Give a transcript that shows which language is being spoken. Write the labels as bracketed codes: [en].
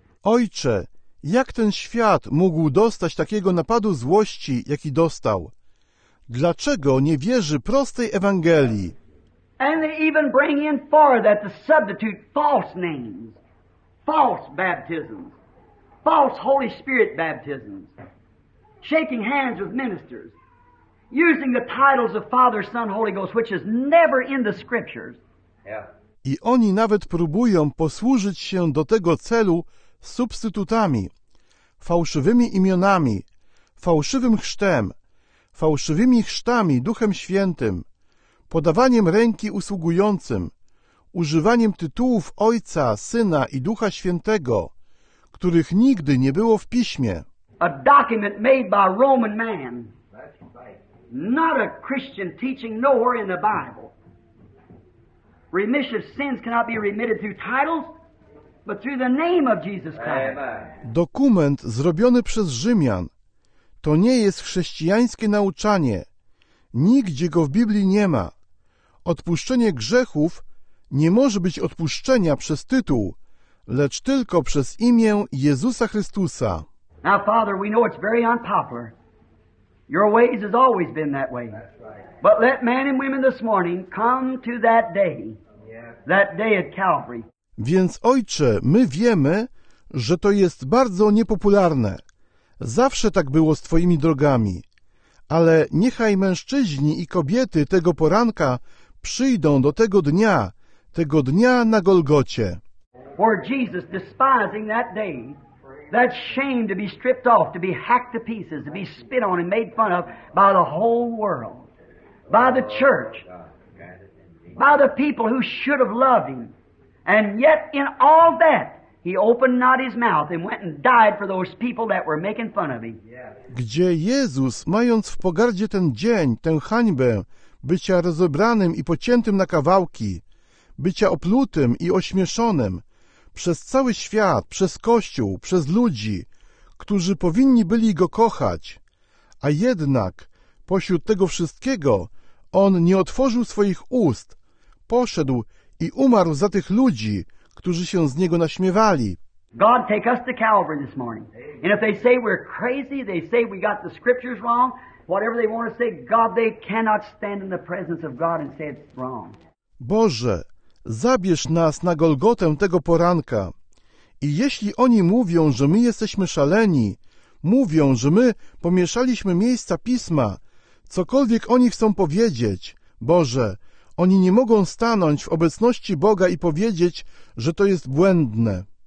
[pl] Ojcze, Jak ten świat mógł dostać takiego napadu złości, jaki dostał? Dlaczego nie wierzy prostej Ewangelii? [en] And they even bring in for that to substitute false names, false baptisms, false Holy Spirit baptisms, shaking hands with ministers, using the titles of Father, Son, Holy Ghost, which is never in the Scriptures. Yeah. [pl] I oni nawet próbują posłużyć się do tego celu substytutami, fałszywymi imionami, fałszywym chrztem, fałszywymi chrztami Duchem Świętym, podawaniem ręki usługującym, używaniem tytułów Ojca, Syna i Ducha Świętego, których nigdy nie było w Piśmie. [en] A document made by a Roman man. Not a Christian teaching nowhere in the Bible. Remission of sins cannot be remitted through titles, but through the name of Jesus Christ. [pl] Dokument zrobiony przez Rzymian. To nie jest chrześcijańskie nauczanie. Nigdzie go w Biblii nie ma. Odpuszczenie grzechów nie może być odpuszczenia przez tytuł, lecz tylko przez imię Jezusa Chrystusa. [en] Now, Father, we know it's very unpopular. Your ways has always been that way. But let men and women this morning come to that day. That day at Calvary. [pl] Więc, Ojcze, my wiemy, że to jest bardzo niepopularne. Zawsze tak było z Twoimi drogami. Ale niechaj mężczyźni i kobiety tego poranka przyjdą do tego dnia na Golgocie. [en] For Jesus despising that day, that shame to be stripped off, to be hacked to pieces, to be spit on and made fun of by the whole world, by the church, by the people who should have loved him. And yet in all that, he opened not his mouth and went and died for those people that were making fun of him. [pl] Gdzie Jezus, mając w pogardzie ten dzień, tę hańbę, bycia rozebranym i pociętym na kawałki, bycia oplutym i ośmieszonym, przez cały świat, przez Kościół, przez ludzi, którzy powinni byli go kochać, a jednak pośród tego wszystkiego on nie otworzył swoich ust, poszedł i umarł za tych ludzi, którzy się z niego naśmiewali. [en] God take us to Calvary this morning. And if they say we're crazy, they say we got the scriptures wrong, whatever they want to say, God, they cannot stand in the presence of God and say it's wrong. [pl] Boże, zabierz nas na Golgotę tego poranka. I jeśli oni mówią, że my jesteśmy szaleni, mówią, że my pomieszaliśmy miejsca pisma, cokolwiek oni chcą powiedzieć, Boże, oni nie mogą stanąć w obecności Boga i powiedzieć, że to jest błędne.